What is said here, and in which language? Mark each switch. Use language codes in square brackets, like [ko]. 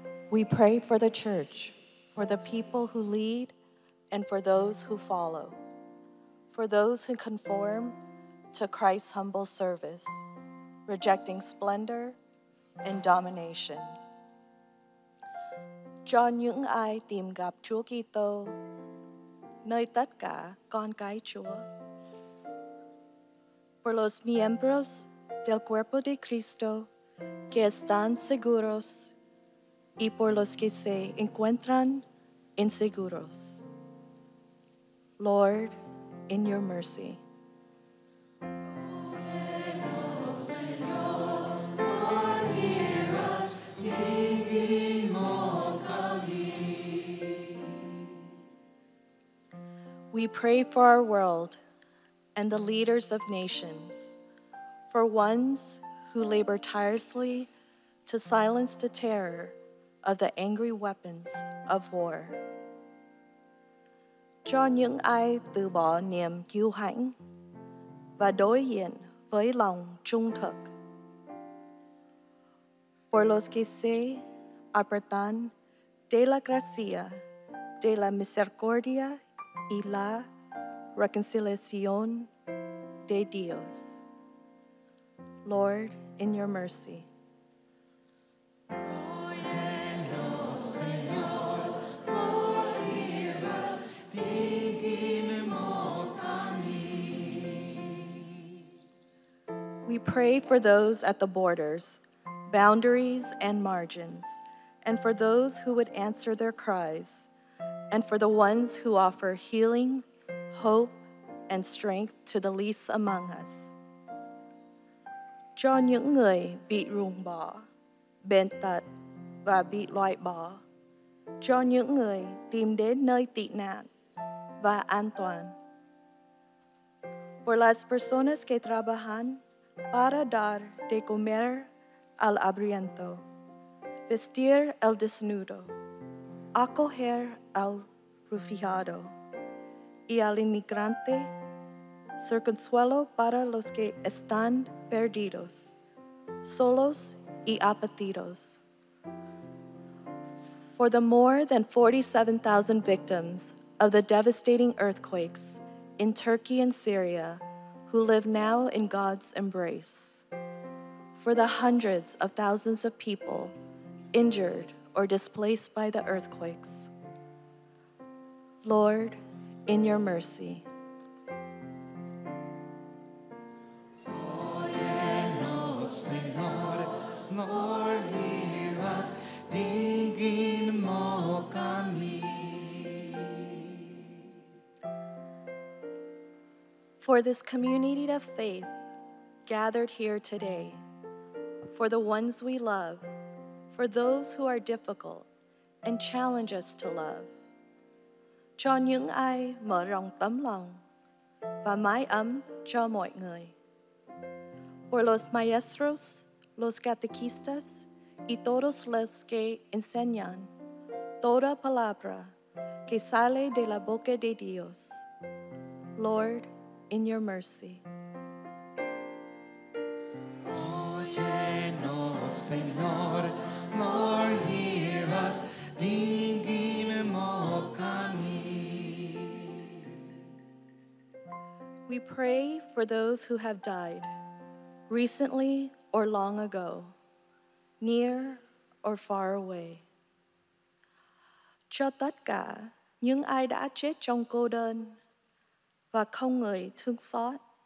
[en] We pray for the church, for the people who lead, and for those who follow, for those who conform to Christ's humble service, rejecting splendor and domination. [vi] Cho những ai tìm gặp Chúa Kitô nơi tất cả con cái Chúa. [es] Por los miembros del cuerpo de Cristo que están seguros y por los que se encuentran inseguros. [en] Lord, in your mercy. We pray for our world and the leaders of nations, for ones who labor tirelessly to silence the terror of the angry weapons of war. [vi] Cho những ai từ bỏ niềm kiêu hãnh và đối diện với lòng trung thực. [es] Por los que se apartan de la gracia, de la misericordia y la reconciliación de Dios. [en] Lord, in your mercy. We pray for those at the borders, boundaries, and margins, and for those who would answer their cries, and for the ones who offer healing, hope, and strength to the least among us. [vi] Cho những người bị rung bỏ, bệnh tật và bị loại bỏ, cho những người tìm đến nơi tị nạn và an toàn. [es] Por las personas que trabajan para dar de comer al hambriento, vestir el desnudo, acoger al refugiado y al inmigrante, ser consuelo para los que están perdidos, solos y abatidos. [en] For the more than 47,000 victims of the devastating earthquakes in Turkey and Syria who live now in God's embrace. For the hundreds of thousands of people injured or displaced by the earthquakes. Lord, in your mercy. [es] Óyenos, Señor, [en] Lord, hear us, digin mocami. For this community of faith gathered here today, for the ones we love, for those who are difficult and challenge us to love. [vi] Cho những ai mở rộng tấm lòng và mái ấm cho mọi người. [es] Por los maestros, los catequistas y todos los que enseñan toda palabra que sale de la boca de Dios. [en] Lord, in your mercy. [es] Óyenos, Señor, [en] Lord, hear us, digin mocami. We pray for those who have died, recently or long ago, near or far away. [vi] Cho tất cả những ai đã chết trong cô đơn và không người thương xót.